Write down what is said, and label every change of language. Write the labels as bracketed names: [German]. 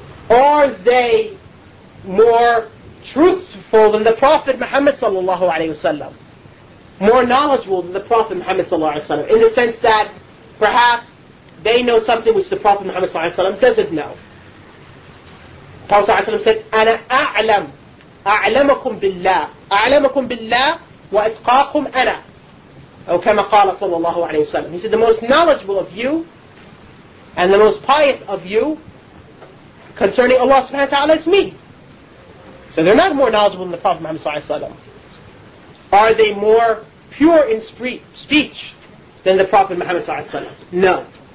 [English] Are they more truthful than the Prophet Muhammad sallallahu alayhi wa sallam? More knowledgeable than the Prophet Muhammad sallallahu alayhi wa sallam? In the sense that perhaps they know something which the Prophet Muhammad sallallahu alayhi wa sallam doesn't know. The Prophet sallallahu alayhi wa sallam said, [Arabic] أَنَا أَعْلَمْ أَعْلَمَكُمْ بِاللَّهِ أَعْلَمَكُمْ بِاللَّهِ وَأَتْقَاكُمْ أَنَا أو كما قال صلى الله عليه وسلم. [English] He said, the most knowledgeable of you and the most pious of you concerning Allah subhanahu wa ta'ala is me. So they're not more knowledgeable than the Prophet Muhammad sallallahu alayhi wa sallam. Are they more pure in speech than the Prophet Muhammad sallallahu alayhi wa sallam? No.